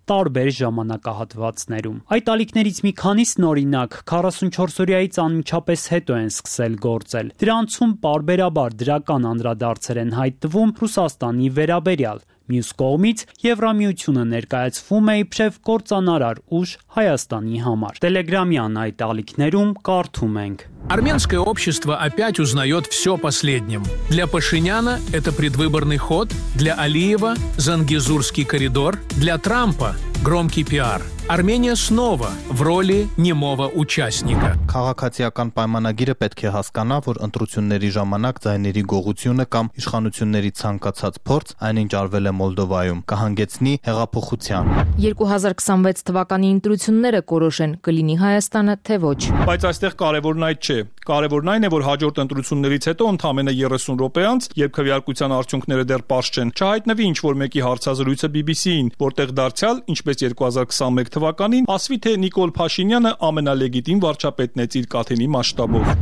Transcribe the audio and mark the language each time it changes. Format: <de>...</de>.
<hy>տարբեր ժամանակահատվածներում։ Այդ ալիքներից մի քանիսն օրինակ 44-օրյայից անմիջապես հետո են սկսել գործել։ Դրանցում պարբերաբար դրական անդրադարձեր են հայտնվում Ռուսաստանի վերաբերյալ։ Մյուս կողմից Եվրամիությունը ներկայացվում է իբրև կործանարար ուժ Հայաստանի համար։ Telegram-յան այդ ալիքներում կարդում ենք.</hy> <ru>Армянское общество опять узнает все последним. Для Пашиняна это предвыборный ход, для Алиева – Зангезурский коридор, для Трампа – громкий пиар. Армения снова в роли немого участника.</ru> <hy>Քաղաքացիական պայմանագիրը պետք է հասկանա, որ ընտրությունների ժամանակ ձայների գողությունը կամ իշխանությունների ցանկացած փորձ այնինչ արվել է Մոլդովայում, կհանգեցնի հեղափոխության։ 2026 թվականի ընտրությունները կորոշեն, կլինի Հայաստանը թե ոչ։ Բայց այստեղ կարևորն այդ չէ։ Կարևորն այն է, որ հաջորդ ընտրություններից հետո ընդամենը 30 րոպե անց, երբ քվեարկության արդյունքները դեռ պարզ չեն, չհայտնվի ինչ-որ մեկի հարցազրույցը BBC-ին, որտեղ դարձյալ, ինչպես 2021 թվականին, ասվի թե Նիկոլ Փաշինյանը ամենալեգիտիմ վարչապետն է իր կաթենի մասշտաբով։</hy>